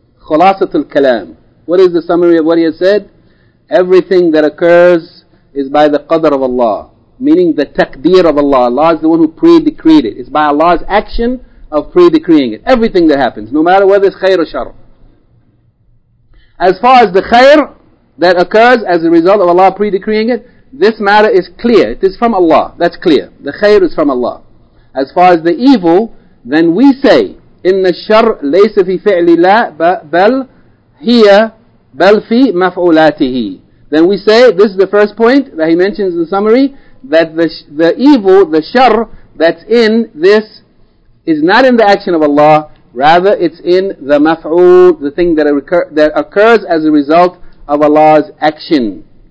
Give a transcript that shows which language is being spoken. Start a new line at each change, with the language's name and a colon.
English: Khulasatul Kalam. What is the summary of what he has said? Everything that occurs is by the Qadr of Allah, meaning the Taqdeer of Allah. Allah is the one who pre-decreed it. It's by Allah's action of pre-decreeing it. Everything that happens, no matter whether it's khair or shar. As far as the khair that occurs as a result of Allah pre-decreeing it, this matter is clear. It is from Allah. That's clear. The khair is from Allah. As far as the evil, then we say,
Arabic: إِنَّ الشَّرْ لَيْسَ فِي فِعْلِ اللَّهِ بَلْ هِيَ بَلْ فِي مَفْعُولَاتِهِ.
English: Then we say, this is the first point that he mentions in the summary, that the evil, the shar, that's in this, is not in the action of Allah, Rather, it's in the maf'ul, the thing that occurs as a result of Allah's action.